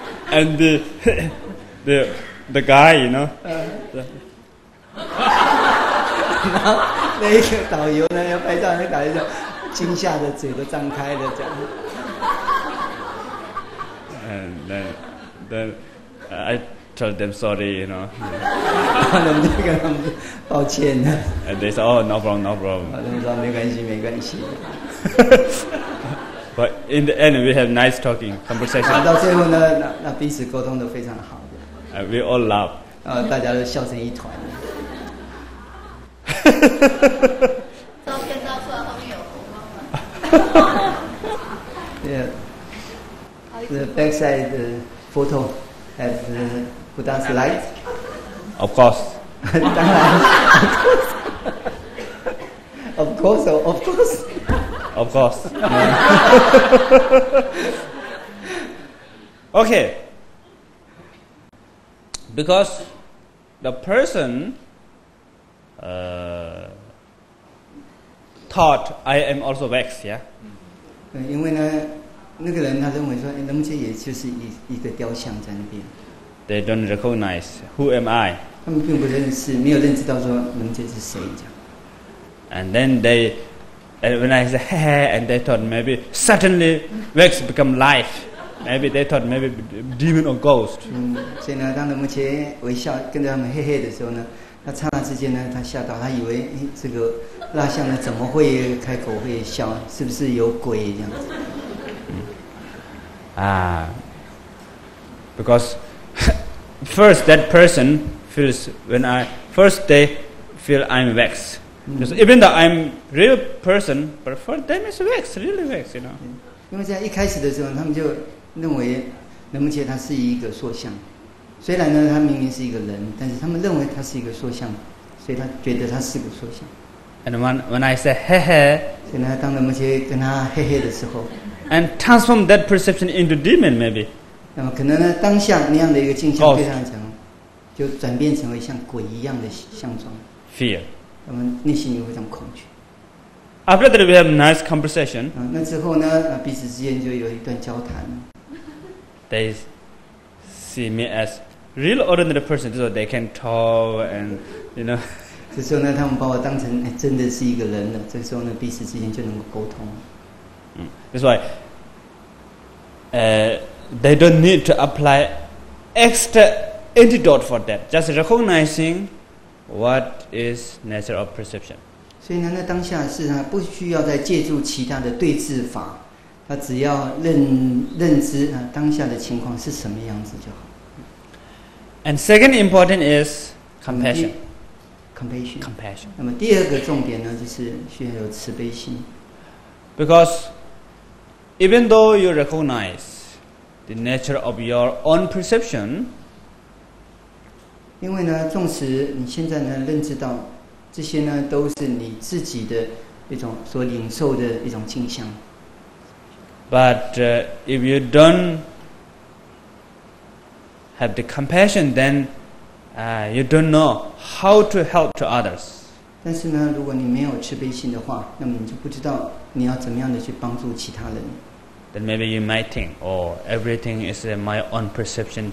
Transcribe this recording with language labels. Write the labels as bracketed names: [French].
[English] And the guy, you know. [Chinese] 然后那个导游呢，要拍照，那导游就惊吓的嘴都张开了，这样。 [English] And then I told them sorry, you know. [Chinese] 然后他们就跟他们抱歉了。 [English] And they said, "Oh, no problem, no problem." [Chinese] 他们说没关系，没关系。 [English] But in the end, we have nice talking conversation. [Chinese] 到最后呢，那彼此沟通都非常好的。 [English] And we all laugh. [Chinese] 然后大家都笑成一团。照片照出来后面有红吗？哈哈哈哈哈。 [English] Yeah. The backside photo has the Buddha's light. Of course. [Chinese] 当然。 [English] Of course. Of course. Of course. Of course. Okay. Because the person thought I am also wax, yeah. [Chinese] 因为呢，那个人他认为说，那么这也就是一个雕像在那边。 [English] They don't recognize who am I. [Chinese] 他们并不认识，没有认识到说那么这是谁这样。 [English] And then they, when I said hey, and they thought maybe suddenly wax become life. Maybe they thought maybe demon or ghost. [Chinese] 所以呢，当那么这微笑跟着他们嘿嘿的时候呢。他刹那之间呢，他吓到，他以为这个蜡像呢怎么会开口会笑？是不是有鬼这样子？ [English] Because first that person feels when I first they feel I'm wax. Because even though I'm real person, but for them it's wax, really wax, you know. [Chinese] 因为在一开始的时候，他们就认为能不能他是一个塑像。虽然呢，他明明是一个人，但是他们认为他是一个塑像，所以他觉得他是个塑像。 [English] And when I say hey hey， [Chinese] 所以呢，当人们去跟他嘿嘿的时候 [English] ，and transform that perception into demon maybe。 [Chinese] 那么可能呢，当下那样的一个镜像对他来讲，就转变成为像鬼一样的相状。 [English] Fear。 [Chinese] 那么内心就非常恐惧。 [English] After that, we have nice conversation。 [Chinese] 那之后呢，彼此之间就有一段交谈。 [English] There's. See me as real ordinary person, so they can talk and you know. [Chinese] 这时候呢，他们把我当成真的是一个人了。这时候呢，彼此之间就能够沟通。 [English] That's why. They don't need to apply extra antidote for that. Just recognizing what is nature of perception. [Chinese] 所以呢，那当下是他不需要再借助其他的对治法。他只要 认知、啊、当下的情况是什么样子就好。 [English] And second important is compassion. Compassion. Compassion. [Chinese] 那么第二个重点呢，就是需要有慈悲心。 [English] Because even though you recognize the nature of your own perception, [Chinese] 因为呢，纵使你现在呢认知到这些呢都是你自己的一种所领受的一种镜像。 [English] But if you don't have the compassion, then you don't know how to help to others. [Chinese] 但是呢，如果你没有慈悲心的话，那么你就不知道你要怎么样的去帮助其他人。 [English] Then maybe you might think, "Oh, everything is my own perception.